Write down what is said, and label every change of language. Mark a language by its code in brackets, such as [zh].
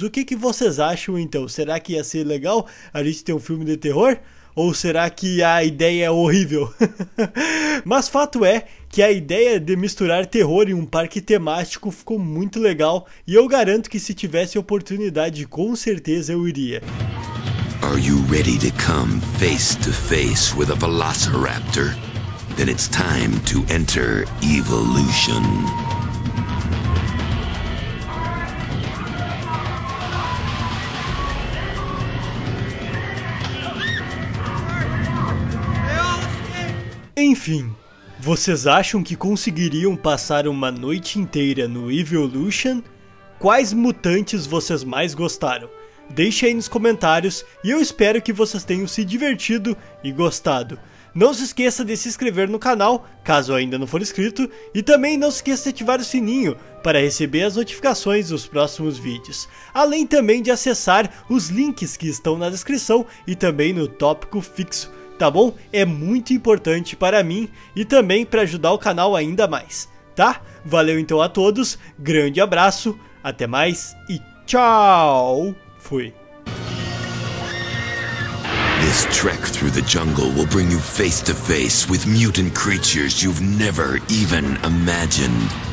[pt] O que, que vocês acham então? Será que ia ser legal a gente ter um filme de terror? Ou será que a ideia é horrível? Mas fato é que a ideia de misturar terror em um parque temático ficou muito legal. E eu garanto que se tivesse oportunidade, com certeza eu iria. [en] Are you ready to come face to face with a Velociraptor? Then it's time to enter Evolution. [pt] Enfim, vocês acham que conseguiriam passar uma noite inteira no Evolution? Quais mutantes vocês mais gostaram? Deixe aí nos comentários e eu espero que vocês tenham se divertido e gostado. Não se esqueça de se inscrever no canal, caso ainda não for inscrito, e também não se esqueça de ativar o sininho para receber as notificações dos próximos vídeos. Além também de acessar os links que estão na descrição e também no tópico fixo. Tá bom? É muito importante para mim e também para ajudar o canal ainda mais, tá? Valeu então a todos, grande abraço, até mais e tchau. Fui. [en] This trek through the jungle will bring you face to face with mutant creatures you've never even imagined.